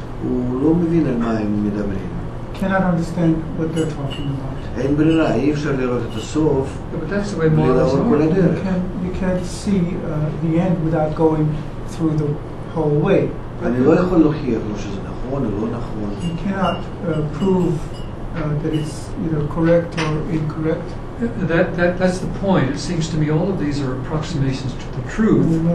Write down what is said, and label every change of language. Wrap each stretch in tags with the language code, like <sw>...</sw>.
<he>הוא לא מבין על מה הם מדברים.</he> <en>Cannot understand what they're talking about.</en> <he>אין ברירה, אי אפשר לראות את הסוף.</he> <en>But that's the way models are. You can't see the end without going through the whole way.</en> <he>אני לא יכול להוכיח לו שזה נכון או לא נכון.</he> <en>You cannot prove that it's either correct or incorrect. That's the point. It seems to me all of these are approximations to the truth.</en>